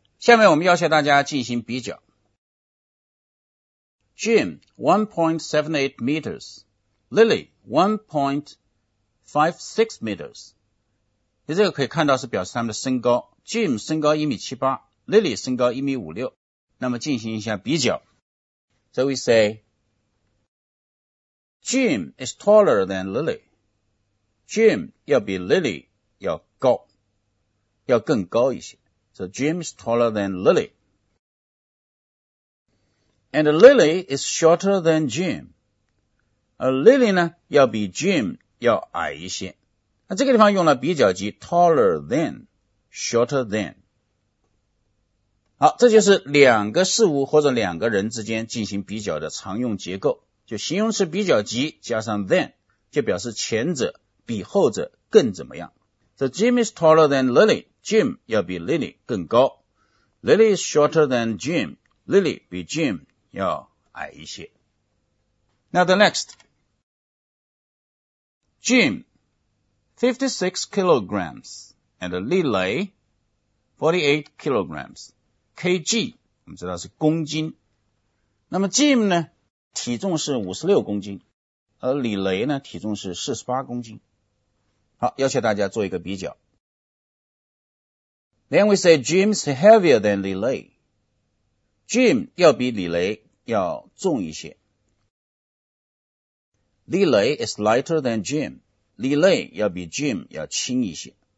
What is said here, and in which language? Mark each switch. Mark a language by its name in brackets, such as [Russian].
[Chinese] 下面我们要求大家进行比较。 [English] Jim 1.78 meters， Lily 1.56 meters。 [Chinese] 你这个可以看到是表示他们的身高， Jim 身高1米78， Lily 身高1米56。那么进行一下比较， [English] So we say Jim is taller than Lily， [Chinese] Jim 要比 Lily 要高，要更高一些。 [English] So Jim is taller than Lily， and Lily is shorter than Jim。 [Chinese] Lily 呢要比 Jim 要矮一些。那这个地方用了比较级 taller than， shorter than。好，这就是两个事物或者两个人之间进行比较的常用结构，就形容词比较级加上 than， 就表示前者比后者更怎么样。 [English] So Jim is taller than Lily， [Chinese] Jim 要比 Lily 更高。 [English] Lily is shorter than Jim， [Chinese] Lily 比 Jim 要矮一些。 [English] Now the next， Jim 56 kilograms and Lily 48 kilograms， [Chinese] KG 我们知道是公斤。那么 Jim 呢体重是56公斤，而 Lily 呢体重是48公斤。好，要求大家做一个比较。 [English] Then we say Jim is heavier than Lily， [Chinese] Jim 要比李雷要重一些。 [English] Lily is lighter than Jim， [Chinese] Lily 要比 Jim 要轻一些。